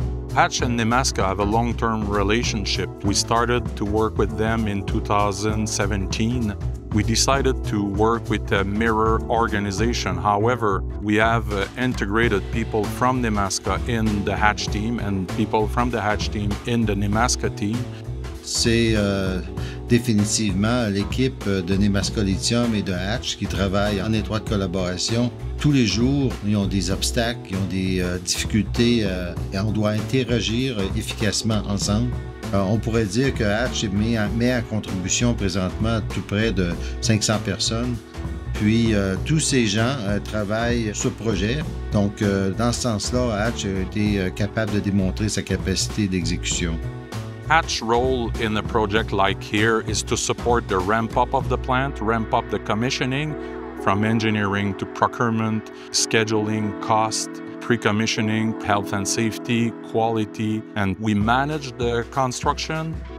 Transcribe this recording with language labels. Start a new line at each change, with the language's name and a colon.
English: Hatch and Nemaska have a long-term relationship. We started to work with them in 2017. We decided to work with a mirror organization. However, we have integrated people from Nemaska in the Hatch team and people from the Hatch team in the Nemaska team.
French: C'est définitivement l'équipe de Nemaska Lithium et de Hatch qui travaille en étroite collaboration. Tous les jours, ils ont des obstacles, ils ont des difficultés et on doit interagir efficacement ensemble. On pourrait dire que Hatch met en contribution présentement tout près de 500 personnes. Puis tous ces gens travaillent sur le projet. Donc dans ce sens-là, Hatch a été capable de démontrer sa capacité d'exécution.
English: Hatch's role in a project like here is to support the ramp-up of the plant, ramp-up the commissioning, from engineering to procurement, scheduling, cost, pre-commissioning, health and safety, quality, and we manage the construction.